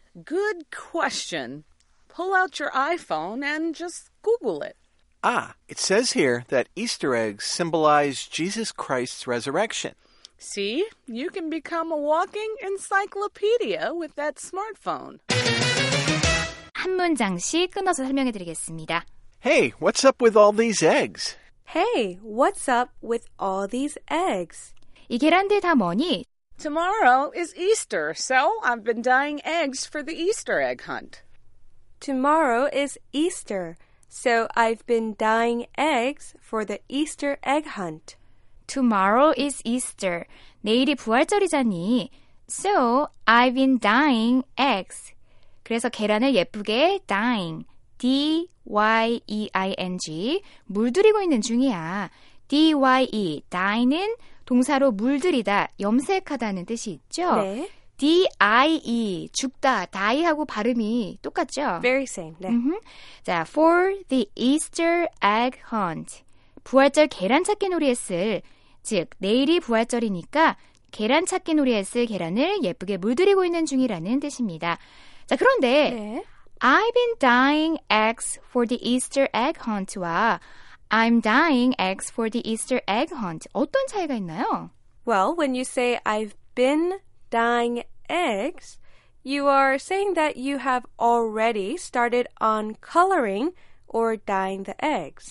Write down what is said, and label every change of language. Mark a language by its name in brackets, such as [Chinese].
[English] Good question. Pull out your iPhone and just Google it. Ah, it says here that Easter eggs symbolize Jesus Christ's resurrection. See, you can become a walking encyclopedia with that smartphone. [Korean] 한 문장씩 끊어서 설명해 드리겠습니다. [English] Hey, what's up with all these eggs? Hey, what's up with all these eggs? [Korean] 이 계란들 다 뭐니? [English] Tomorrow is Easter, so I've been dyeing eggs for the Easter egg hunt. Tomorrow is Easter. So I've been dyeing eggs for the Easter egg hunt. Tomorrow is Easter. [Korean] 내일이 부활절이잖니. [English] So I've been dyeing eggs. [Korean] 그래서 계란을 예쁘게 [English] dyeing. [Korean] D-Y-E-I-N-G. 물들이고 있는 중이야. D-Y-E, dye는 동사로 물들이다, 염색하다는 뜻이 있죠? 네. D-I-E, 죽다, die하고 발음이 똑같죠? [English] Very same, 네. Mm-hmm. 자, for the Easter egg hunt. [Korean] 부활절 계란찾기 놀이에 쓸, 즉, 내일이 부활절이니까 계란찾기 놀이에 쓸 계란을 예쁘게 물들이고 있는 중이라는 뜻입니다. 자, 그런데 네. [English] I've been dying eggs for the Easter egg hunt와 I'm dying eggs for the Easter egg hunt. [Korean] 어떤 차이가 있나요? [English] Well, when you say I've been dying eggs, you are saying that you have already started on coloring or dyeing the eggs.